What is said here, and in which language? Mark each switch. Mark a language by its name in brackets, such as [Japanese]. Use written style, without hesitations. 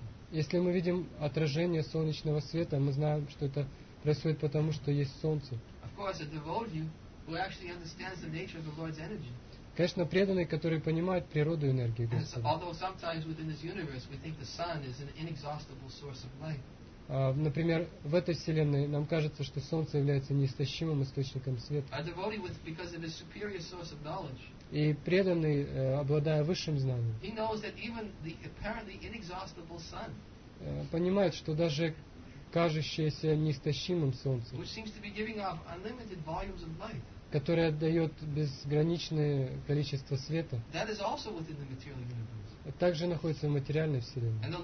[Russian] Если мы видим отражение солнечного света, мы знаем, что это Происходит потому, что есть солнце. [English] Of course, a devotee who actually understands the nature of the Lord's energy. [Russian] Конечно, преданные, которые понимают природу энергии Господа. [English] Although sometimes within this universe we think the sun is an inexhaustible source of light. [Russian] Например, в этой вселенной нам кажется, что солнце является неистощимым источником света. [English] A devotee with, because of his superior source of knowledge. [Russian] И преданный, обладая высшим знанием, [English] he knows that even the apparently inexhaustible sun, [Russian] понимает, что даже кажущееся неистощимым солнце, [English] which seems to be giving off unlimited volumes of light, [Russian] которое дает безграничное количество света, [English] that is also within the material universe. [Russian] Также находится в материальной вселенной.